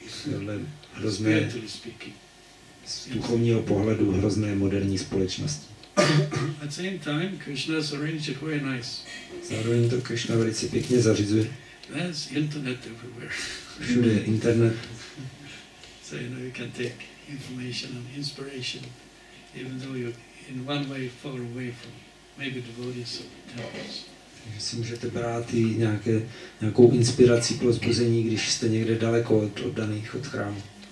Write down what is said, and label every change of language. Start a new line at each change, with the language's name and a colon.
Czech: Tohle hrozné z duchovního pohledu hrozné moderní společnosti.
English: At the same time, Krishna's arranged it very nice.
Czech: Zároveň to Krishna velice pěkně zařizuje.
English: There's internet everywhere.
Czech: Všude je internet.
English: So you know, you can take information and inspiration, even though you're in one way far away from maybe devotees of temples.
Czech: Takže si můžete brát i nějaké, nějakou inspiraci pro zbuzení, když jste někde daleko od oddaných, od chrámu.